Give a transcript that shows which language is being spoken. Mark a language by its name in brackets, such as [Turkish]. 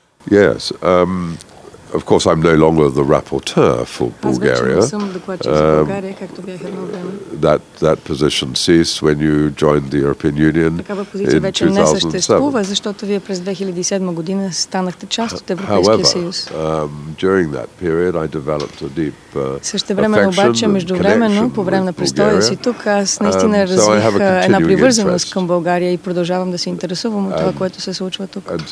[English] Yes, of course I'm no longer the rapporteur for Bulgaria. [Bulgarian] Аз вече не съм докладчик за България, както бях едно време. [English] That position ceased when you joined the European Union. [Bulgarian] Такава позиция вече не съществува, защото вие през 2007 година станахте част от Европейския съюз. [English] During that period I developed a deep [Bulgarian] същевременно обаче, междувременно, по време на престоя си тук, аз наистина развих една привързаност към България и продължавам да се интересувам от това, което се случва тук.